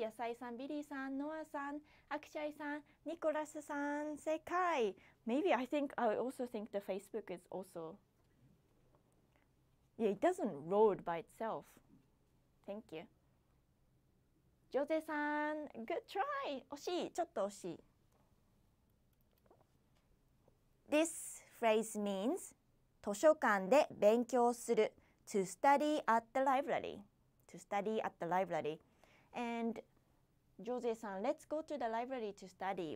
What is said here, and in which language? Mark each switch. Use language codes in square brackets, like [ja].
[ja] 野菜さん、ビリーさん、ノアさん、アクシャイさん、ニコラスさん、正解。 [en] Maybe I think I also think the Facebook is also yeah it doesn't load by itself。 Thank you。 ジョゼさん、 good try。 [ja] 惜しい、ちょっと惜しい。 [en] This phrase means [ja] 図書館で勉強する。 [en] To study at the library。 To study at the library。 And ジョゼさん、 Let's go to the library to study